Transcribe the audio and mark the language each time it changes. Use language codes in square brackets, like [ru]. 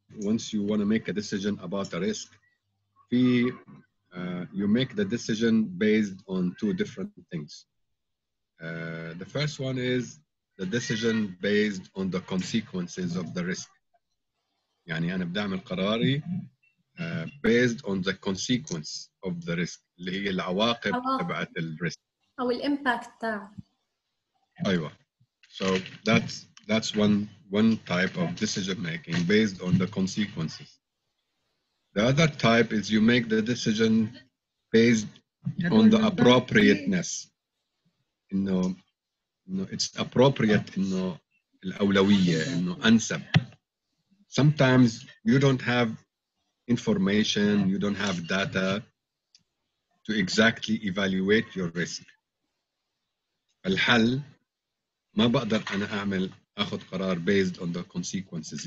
[en] Once you want to make a decision about a risk, في you make the decision based on two different things. The first one is the decision based on the consequences of the risk. [ar] يعني أنا بدعمل قراري [en] based on the consequence of the risk [ar] اللي هي العواقب تبعت الريسك أو الإمباكت تاع. أيوة. [en] So that's one type of decision making based on the consequences. The other type is you make the decision based on the appropriateness. No, it's appropriate. No, [ar] الأولوية. [en] No, [ar] أنسب. [en] Sometimes you don't have information. You don't have data to exactly evaluate your risk. [ar] الحل ما بقدر أنا أعمل أخذ قرار [en] based on the consequences.